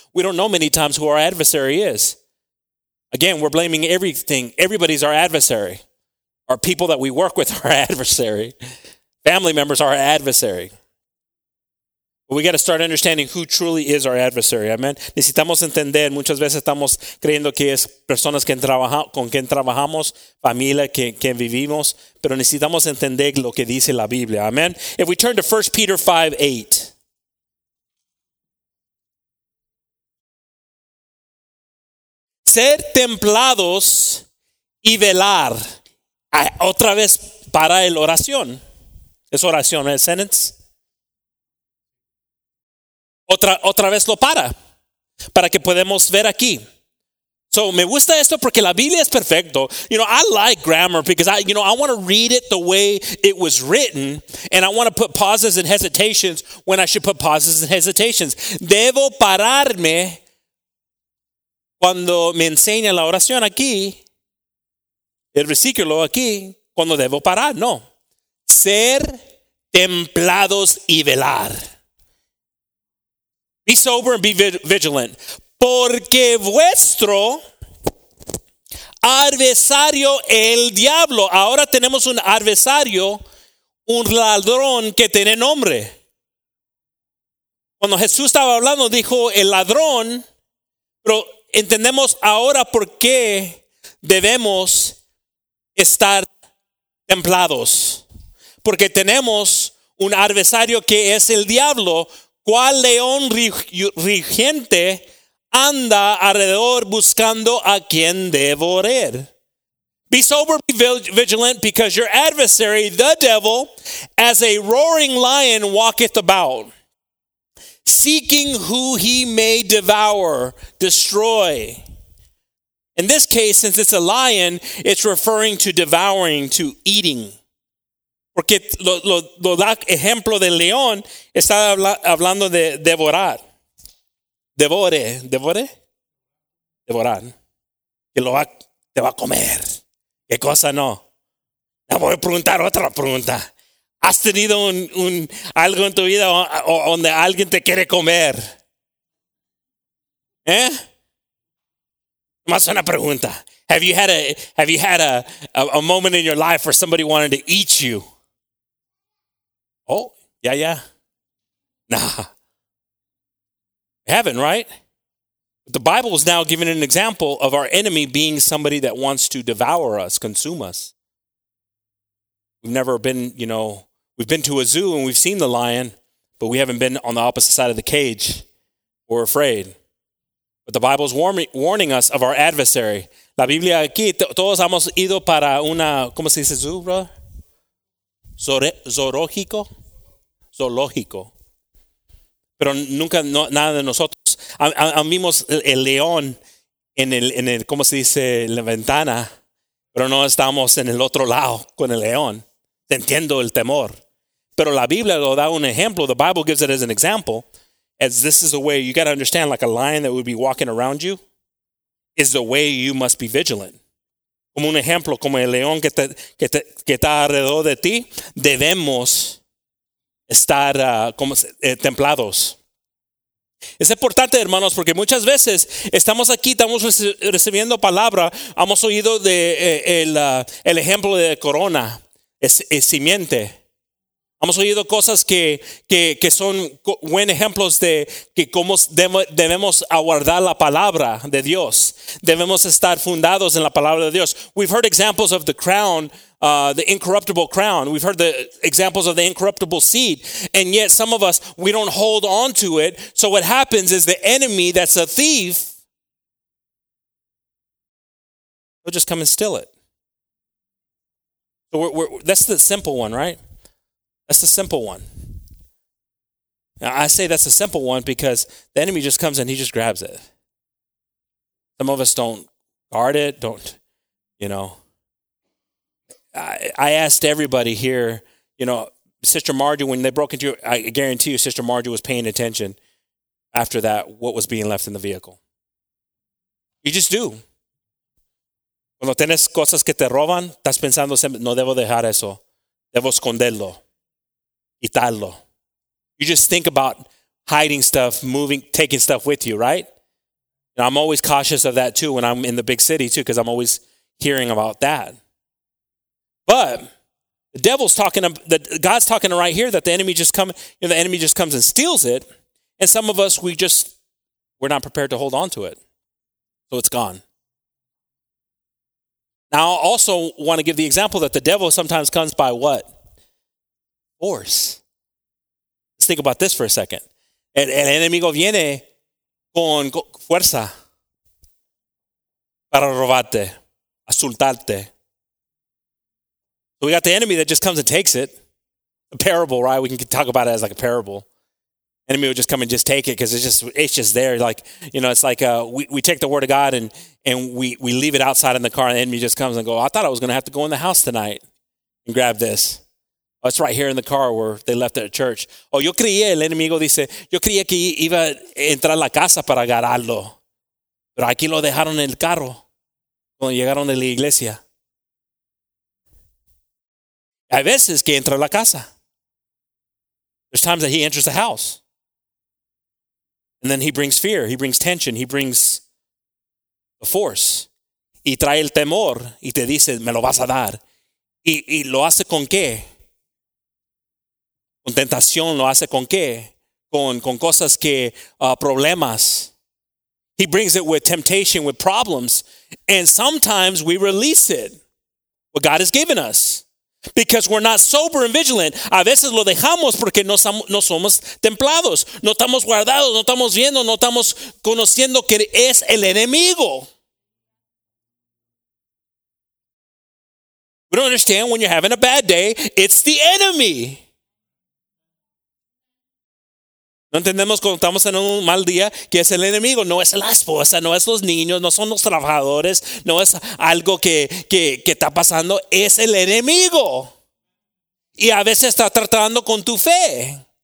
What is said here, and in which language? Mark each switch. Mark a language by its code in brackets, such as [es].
[en] We don't know many times who our adversary is. Again, we're blaming everything. Everybody's our adversary. Our people that we work with are our adversary. Family members are our adversary. We got to start understanding who truly is our adversary. [es] Amen. Necesitamos entender. Muchas veces estamos creyendo que es personas que con quien trabajamos, familia que vivimos. Pero necesitamos entender lo que dice la Biblia. [en] Amen. If we turn to 1 Peter 5:8. [es] Ser templados y velar. Otra vez para el oración. Es oración, es sentence. Otra vez lo para que podemos ver aquí. So me gusta esto porque la Biblia es perfecto. [en] You know, I like grammar because I want to read it the way it was written, and I want to put pauses and hesitations when I should put pauses and hesitations. [es] Debo pararme cuando me enseña la oración aquí, el versículo aquí, cuando debo parar. No. Ser templados y velar. [en] Be sober and be vigilant. [es] Porque vuestro adversario, el diablo. Ahora tenemos un adversario, un ladrón que tiene nombre. Cuando Jesús estaba hablando, dijo el ladrón, pero entendemos ahora por qué debemos estar templados. Porque tenemos un adversario que es el diablo. ¿Cuál león rugiente anda alrededor buscando a quien devorar? [en] Be sober, be vigilant, because your adversary, the devil, as a roaring lion, walketh about, seeking who he may devour, destroy. In this case, since it's a lion, it's referring to devouring, to eating. Porque lo da ejemplo del león, está hablando de devorar. Devorar. Que lo va, te va a comer. ¿Qué cosa no? Te voy a preguntar otra pregunta. ¿Has tenido un algo en tu vida o donde alguien te quiere comer? ¿Eh? Más una pregunta. Have you had a moment in your life where somebody wanted to eat you? Oh, yeah. Nah. Heaven, right? The Bible is now giving an example of our enemy being somebody that wants to devour us, consume us. We've never been, you know, we've been to a zoo and we've seen the lion, but we haven't been on the opposite side of the cage. We're afraid. But the Bible is warning us of our adversary. [es] La Biblia aquí, todos hemos ido para una, ¿cómo se dice zoo, bro? Zoológico. Zoológico. Pero nunca, no, nada de nosotros. Vimos el león en el, ¿cómo se dice? La ventana. Pero no estamos en el otro lado con el león. Entiendo el temor. Pero la Biblia lo da un ejemplo. [en] The Bible gives it as an example. As this is the way, you got to understand, like a lion that would be walking around you is the way you must be vigilant. [es] Como un ejemplo, como el león que está alrededor de ti, debemos estar templados. Es importante, hermanos, porque muchas veces estamos aquí, estamos recibiendo palabra, hemos oído de el ejemplo de corona, es simiente. Hemos oído cosas que son buen ejemplos de que cómo debemos aguardar la palabra de Dios. Debemos estar fundados en la palabra de Dios. [en] We've heard examples of the crown, the incorruptible crown. We've heard the examples of the incorruptible seed. And yet some of us, we don't hold on to it. So what happens is the enemy that's a thief, they'll just come and steal it. So that's the simple one, right? That's the simple one. Now, I say that's a simple one because the enemy just comes and he just grabs it. Some of us don't guard it, don't, you know. I asked everybody here, you know, Sister Margie, when they broke into you, I guarantee you Sister Margie was paying attention after that, what was being left in the vehicle. You just do. [es] Cuando tienes cosas que te roban, estás pensando siempre, no debo dejar eso. Debo esconderlo. Italo. [en] You just think about hiding stuff, moving, taking stuff with you, right? And I'm always cautious of that too when I'm in the big city too, because I'm always hearing about that. But the devil's talking, God's talking right here that the enemy just come, you know, the enemy just comes and steals it. And some of us, we're not prepared to hold on to it. So it's gone. Now I also want to give the example that the devil sometimes comes by what? Force. Let's think about this for a second. [es] El enemigo viene con fuerza para robarte, asaltarte. [en] We got the enemy that just comes and takes it. A parable, right? We can talk about it as like a parable. enemy would just come and just take it because it's just there. Like, you know, it's like we take the word of God and we leave it outside in the car, and the enemy just comes and go, I thought I was going to have to go in the house tonight and grab this. Oh, it's right here in the car where they left at church. [es] Oh, yo creía, el enemigo dice, yo creía que iba a entrar a la casa para agarrarlo. Pero aquí lo dejaron en el carro cuando llegaron de la iglesia. Hay veces que entra a la casa. [en] There's times that he enters the house. And then he brings fear. He brings tension. He brings a force. [es] Y trae el temor y te dice, me lo vas a dar. Y lo hace con qué? Con tentación lo hace con qué? Con cosas que, problemas. [en] He brings it with temptation, with problems. And sometimes we release it, what God has given us. Because we're not sober and vigilant. [es] A veces lo dejamos porque no somos templados. No estamos guardados, no estamos viendo, no estamos conociendo que es el enemigo. [en] We don't understand when you're having a bad day, it's the enemy. [es] No entendemos cuando estamos en un mal día que es el enemigo. No es la esposa, no es los niños, no son los trabajadores, no es algo que está pasando. Es el enemigo. Y a veces está tratando con tu fe.